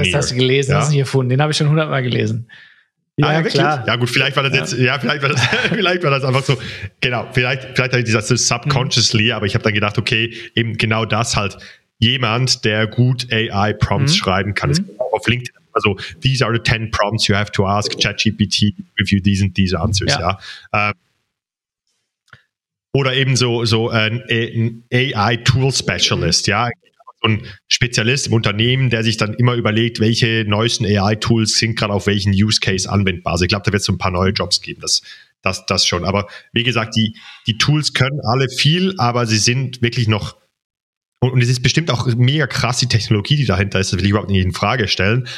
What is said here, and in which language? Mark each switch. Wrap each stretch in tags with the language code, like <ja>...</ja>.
<de>Ah, das hast du gelesen, ja? Das hast du hier gefunden. Den habe ich schon 100 Mal gelesen. Ja, klar. Ja, gut, vielleicht war das jetzt, vielleicht war das einfach so, genau, vielleicht habe ich das so subconsciously, aber ich habe dann gedacht, okay, eben genau das halt, jemand, der gut AI Prompts schreiben kann, ist auf LinkedIn.</de> <en>Also, these are the 10 prompts you have to ask ChatGPT, if you these and these answers,</en> <de>ja. Oder eben so ein AI Tool Specialist, ja. Ein Spezialist im Unternehmen, der sich dann immer überlegt, welche neuesten AI-Tools sind gerade auf welchen Use-Case anwendbar. Also ich glaube, da wird es so ein paar neue Jobs geben, das schon. Aber wie gesagt, die Tools können alle viel, aber sie sind wirklich noch, und es ist bestimmt auch mega krass, die Technologie, die dahinter ist, das will ich überhaupt nicht in Frage stellen.</de>